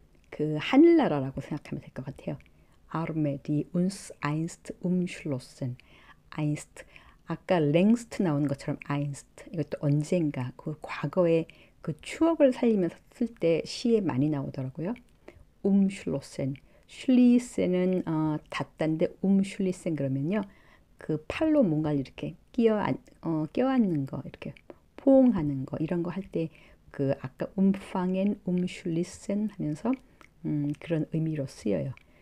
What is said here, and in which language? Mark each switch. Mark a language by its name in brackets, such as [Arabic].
[Korean] 그 하늘나라라고 생각하면 될것 같아요. [German] Arme, die uns einst umschlossen. Einst. [Korean] 아까 랭스트 나오는 것처럼 아인스트 이것도 언젠가 그 과거의 그 추억을 살리면서 쓸때 시에 많이 나오더라고요. 움슐로센 슐리센은 닫다인데 움슐리센 그러면요 그 팔로 뭔가 이렇게 끼어안는 거 이렇게 포옹하는 거 이런 거할때그 아까 움팡엔 움슐리센 하면서 그런 의미로 쓰여요.